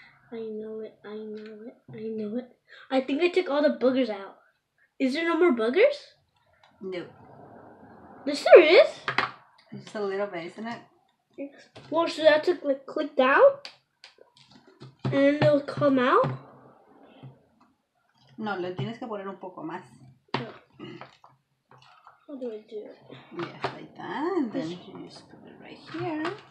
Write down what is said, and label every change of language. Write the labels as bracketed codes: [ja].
[en] I know it. I think I took all the boogers out. Is there no more boogers? No. Yes, there is. Just a little bit, isn't it? Yes. Well, so that took like clicked out, and then it'll come out. [es] No, lo tienes que poner un poco más. [en] How do I do it? Yes, like that, and then you just put it right here.